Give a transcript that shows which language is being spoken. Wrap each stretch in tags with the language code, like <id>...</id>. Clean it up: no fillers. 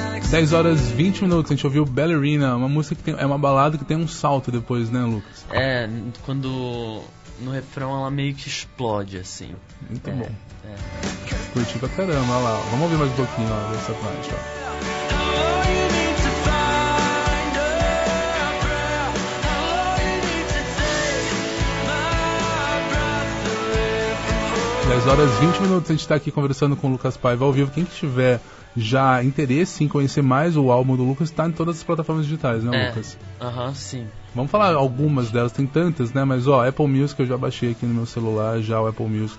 <pt>Dez horas 20 minutos, a gente ouviu Ballerina, uma música que é uma balada que tem um salto depois, né, Lucas? Quando no refrão ela meio que explode, assim. Muito bom. Curti pra caramba, olha lá. Vamos ouvir mais um pouquinho dessa parte, ó.</pt> <en>All you need to find a breath, all you need to take my breath.</en> <pt>10:20, a gente está aqui conversando com o Lucas Paiva ao vivo. Quem tiver já interesse em conhecer mais o álbum do Lucas, está em todas as plataformas digitais, né, Lucas? Sim. Vamos falar algumas delas, tem tantas, né? Mas, ó, Apple Music eu já baixei aqui no meu celular, já o Apple Music.</pt>